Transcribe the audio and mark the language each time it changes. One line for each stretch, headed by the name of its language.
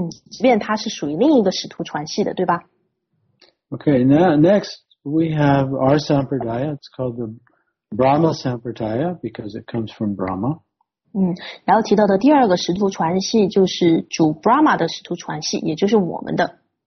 Chinese: 即便他是属于另一个使徒传系的，对吧？
English: Okay, now next we have our Sampradaya. It's called the Brahma Sampradaya, because it comes from Brahma.
Chinese: 然后提到的第二个使徒传系就是主 Brahma 的使徒传系，也就是我们的。